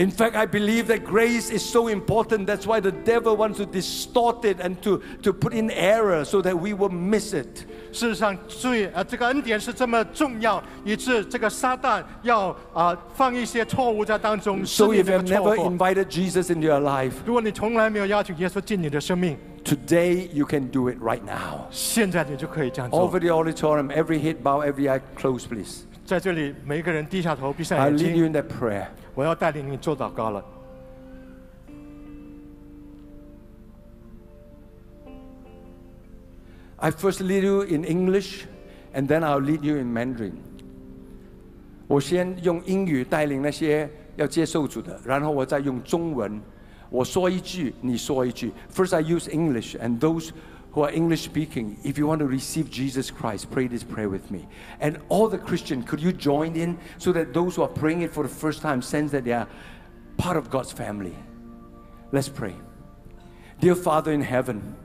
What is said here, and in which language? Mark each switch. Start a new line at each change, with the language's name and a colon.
English: In fact, I believe that grace is so important. That's why the devil wants to distort it and to put in error so that we will miss it.
Chinese: 事实上，罪这个恩典是这么重要，以致这个撒旦要放一些错误在当中，使你这个错过。
English: So if you never invited Jesus into your life,
Chinese: 如果你从来没有邀请耶稣进你的生命
English: ，today you can do it right now.
Chinese: 现在你就可以这样做。
English: Over the auditorium, every head bow, every eye closed, please.
Chinese: 在这里，每个人低下头，闭上眼睛。
English: I lead you in that prayer.
Chinese: 我要带领你做祷告了。
English: I first lead you in English, and then I'll lead you in Mandarin.
Chinese: 我先用英语带领那些要接受主的，然后我再用中文，我说一句，你说一句。
English: First, I use English, and those who are English speaking, if you want to receive Jesus Christ, pray this prayer with me. And all the Christians, could you join in so that those who are praying it for the first time sense that they are part of God's family? Let's pray. Dear Father in heaven,